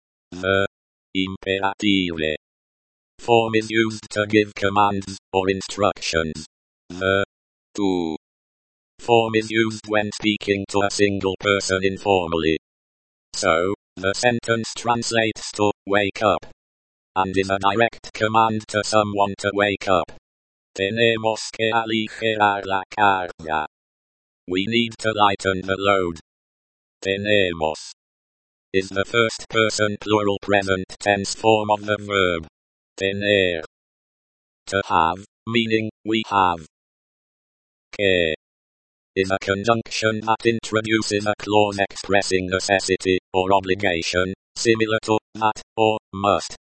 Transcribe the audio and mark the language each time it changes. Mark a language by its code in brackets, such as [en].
[en] The imperative form is used to give commands or instructions. The tú form is used when speaking to a single person informally. So, the sentence translates to wake up and is a direct command to someone to wake up. [es] Tenemos que aligerar la carga. [en] We need to lighten the load. Tenemos is the first person plural present tense form of the verb tener. To have, meaning we have. Que is a conjunction that introduces a clause expressing necessity or obligation, similar to that or must.